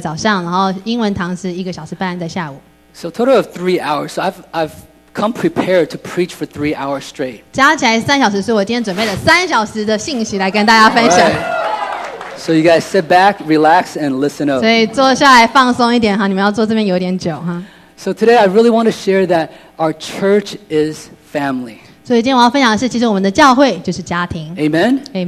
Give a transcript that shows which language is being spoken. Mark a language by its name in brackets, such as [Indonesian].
[Chinese] 所以呢，通常我们聚会是早上一个小时半在早上，然后英文堂是一个小时半在下午。 [English] So total of 3 hours. So I've come prepared to preach for 3 hours straight. [Chinese] 加起来三小时，是我今天准备了3小时的信息来跟大家分享。 [English] So you guys sit back, relax, and listen up. [Chinese] 所以坐下来放松一点哈，你们要坐这边有点久哈。So [English] today I really want to share that our church is family. [Chinese] 所以今天我要分享的是，其实我们的教会就是家庭。Amen.